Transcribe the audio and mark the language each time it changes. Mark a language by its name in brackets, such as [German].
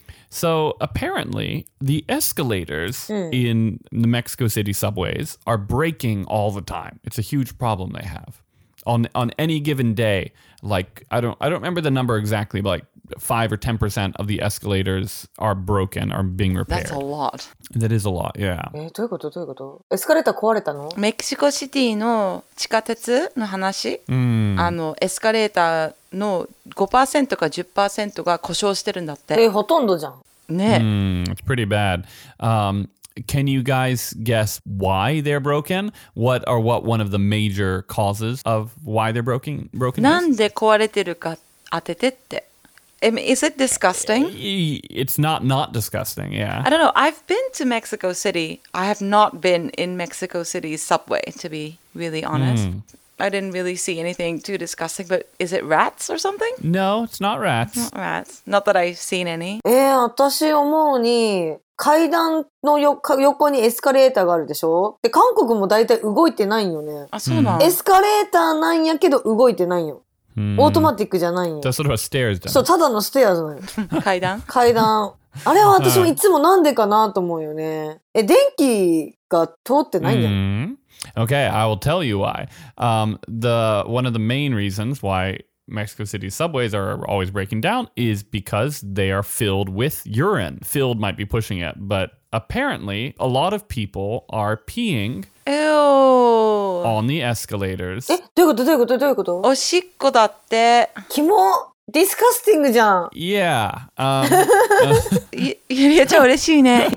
[English] So apparently, the escalators in the Mexico City subways are breaking all the time. It's a huge problem they have. On any given day, like I don't remember the number exactly, but like 5 or 10% of the escalators are broken or being repaired. That's a lot. That is a lot. Yeah. [Japanese] どういうこと?どういうこと?エスカレーター壊れたの? メキシコシティの地下鉄の話。あのエスカレーターの 5% か 10% が故障してるんだって。ほとんどじゃん。ね。 [English] It's pretty bad. Can you guys guess why they're broken? What one of the major causes of why they're broken? [Japanese] なんで壊れてるか当ててって。 [English] Is it disgusting? It's not disgusting, yeah. I don't know. I've been to Mexico City. I have not been in Mexico City's subway, to be really honest. I didn't really see anything too disgusting, but is it rats or something? No, it's not rats. Not rats. Not that I've seen any. [Japanese] 私思うに、階段の横にエスカレーターがあるでしょ? で、韓国もだいたい動いてないよね。あ、そうなの? エスカレーターなんやけど動いてないよ。オートマティックじゃないよ。それはステアーズだよ。そう、ただのステアーズだよ。階段? 階段。あれは私もいつもなんでかなと思うよね。え、電気が通ってないんだよ。 [English] Okay, I will tell you why. One of the main reasons why Mexico City subways are always breaking down is because they are filled with urine. Filled might be pushing it, but apparently a lot of people are peeing. Ew. On the escalators. [Japanese] え、どういうこと? どういうこと?どういうこと? おしっこだって。キモ。 [English] Disgusting [Japanese] じゃん。 [English] Yeah. [Japanese] ゆりえちゃん嬉しいね。